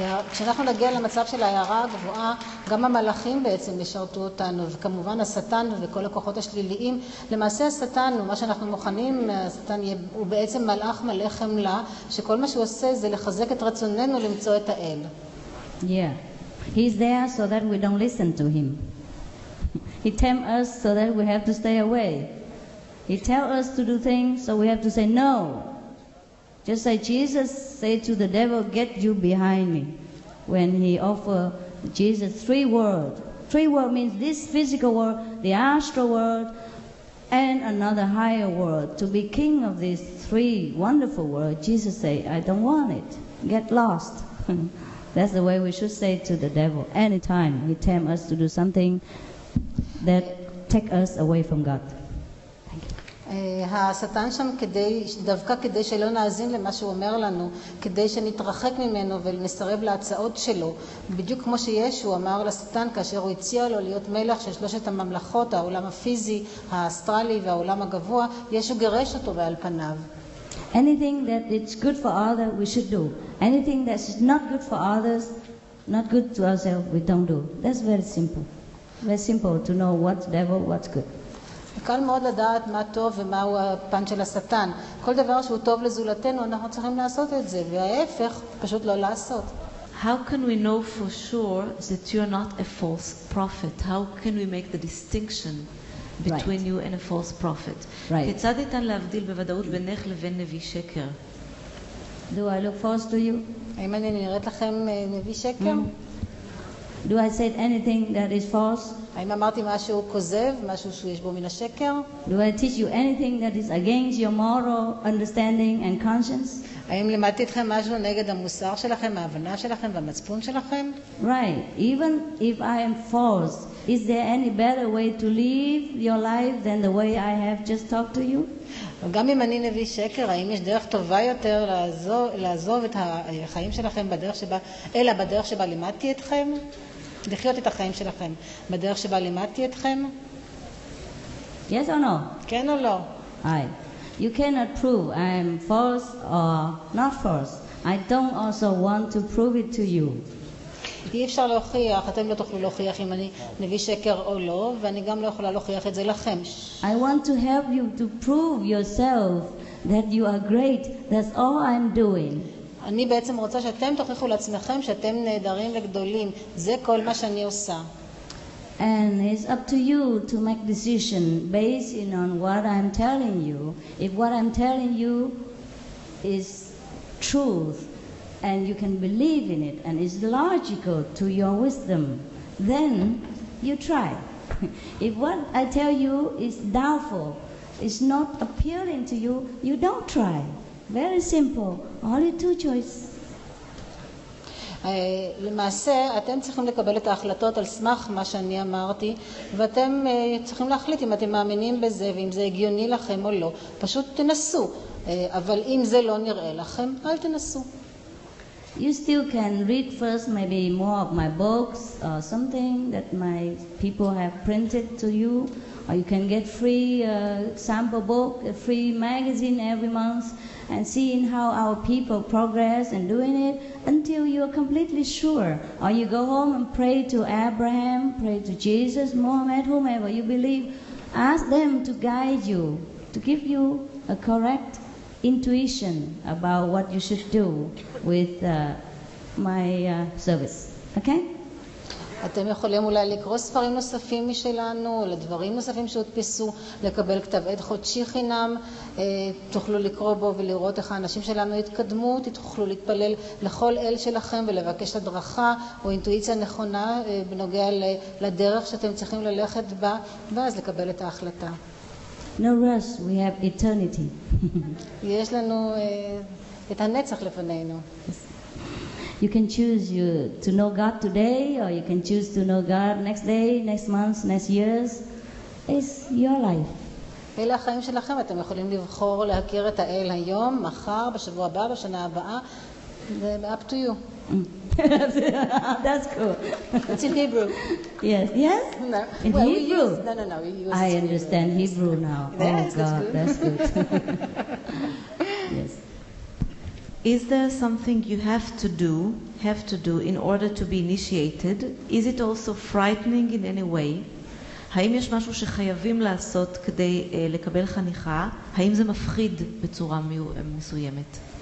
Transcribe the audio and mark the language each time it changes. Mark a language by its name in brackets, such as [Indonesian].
[Hebrew] כשאנחנו נגיע למצב של ההארה הגבוהה, גם המלאכים בעצם ישרתו אותנו, וכמובן השטן וכל הכוחות השליליים. למעשה השטן ומה שאנחנו מוכנים, השטן הוא בעצם מלאך מלא חמלה, שכל מה שהוא עושה זה לחזק את רצוננו למצוא את האל. [English] Yeah, he's there so that we don't listen to him. He tempts us so that we have to stay away. He tells us to do things so we have to say no. Just like Jesus said to the devil, get you behind me, when he offered Jesus three worlds. Three worlds means this physical world, the astral world, and another higher world. To be king of these three wonderful worlds, Jesus said, I don't want it. Get lost. That's the way we should say to the devil. Anytime he tempts us to do something that takes us away from God. Thank you. [Hebrew] השטן שם כדי, דווקא כדי שלא נאזין למה שהוא אומר לנו, כדי שנתרחק ממנו ונסרב להצעות שלו, בדיוק כמו שישו אמר לשטן כאשר הוא הציע לו להיות מלך של שלושת הממלכות, העולם הפיזי, האסטרלי והעולם הגבוה, ישו גירש אותו בעל פניו. [English] Anything that it's good for others, we should do. Anything that's not good for others, not good to ourselves, we don't do. That's very simple. Very simple to know what's devil, what's good. [Hebrew] קל מאוד לדעת מה טוב ומהו הפן של השטן. כל דבר שהוא טוב לזולתנו, אנחנו צריכים לעשות את זה, וההפך, פשוט לא לעשות. [English] How can we know for sure that you are not a false prophet? How can we make the distinction between you and a false prophet? [Hebrew] כיצד ניתן להבדיל בוודאות בינך לבין נביא שקר? [English] Do I look false to you? [Hebrew] האם אני נראית לכם נביא שקר? [English] Do I say anything that is false? [Hebrew] האם אמרתי משהו כוזב, משהו שיש בו מן השקר? [English] Do I teach you anything that is against your moral understanding and conscience? [Hebrew] האם למדתי אתכם משהו נגד המוסר שלכם, ההבנה שלכם והמצפון שלכם? [English] Right. Even if I am false, is there any better way to live your life than the way I have just talked to you? [Hebrew] גם אם אני נביא שקר, האם יש דרך טובה יותר לעזוב את החיים שלכם בדרך שבה, אלא בדרך שבה לימדתי אתכם? לחיות את החיים שלכם בדרך שבה לימדתי אתכם? [English] Yes or no? [Hebrew] כן או לא? [English] Aye. You cannot prove I am false or not false. I don't also want to prove it to you. [Hebrew] אי אפשר להוכיח, אתם לא תוכלו להוכיח אם אני נביא שקר או לא, ואני גם לא יכולה להוכיח את זה לכם. [English] I want to help you to prove yourself that you are great. That's all I'm doing. [Hebrew] אני בעצם רוצה שאתם תוכיחו לעצמכם שאתם נהדרים וגדולים. זה כל מה שאני עושה. [English] And it's up to you to make decision based on what I'm telling you. If what I'm telling you is truth, and you can believe in it and it's logical to your wisdom, then you try. If what I tell you is doubtful, is not appealing to you, you don't try. Very simple, only two choices. [Hebrew] למעשה אתם צריכים לקבל את ההחלטות על סמך מה שאני אמרתי, ואתם צריכים להחליט אם אתם מאמינים בזה ואם זה הגיוני לכם או לא. פשוט תנסו, אבל אם זה לא נראה לכם, אל תנסו. [English] You still can read first maybe more of my books or something that my people have printed to you, or you can get free sample book, a free magazine every month, and seeing how our people progress and doing it until you are completely sure, or you go home and pray to Abraham, pray to Jesus, Muhammad, whomever you believe, ask them to guide you, to give you a correct intuition about what you should do with my service. Okay? [Hebrew] אתם יכולים אולי לקרוא ספרים נוספים משלנו, לדברים נוספים שהודפסו, לקבל כתב עד חודשי חינם, תוכלו לקרוא בו ולראות איך האנשים שלנו התקדמו, תוכלו להתפלל לכל אל שלכם ולבקש הדרכה או אינטואיציה נכונה בנוגע לדרך שאתם צריכים ללכת בה, ואז לקבל את ההחלטה. [English] No rush, we have eternity. [Hebrew] יש לנו את הנצח לפנינו. [English] You can choose to know God today, or you can choose to know God next day, next month, next years. It's your life. [Hebrew] אלה החיים שלכם. אתם יכולים לבחור להכיר את האל היום, מחר, בשבוע הבא, בשנה הבאה. [English] Up to you. That's cool. It's in Hebrew. Yes, yes? No. In Hebrew? No. I understand Hebrew now. Yes, oh, God, that's good. Is there something you have to do in order to be initiated? Is it also frightening in any way? [Hebrew] האם יש משהו שחייבים לעשות כדי לקבל חניכה? האם זה מפחיד בצורה מסוימת?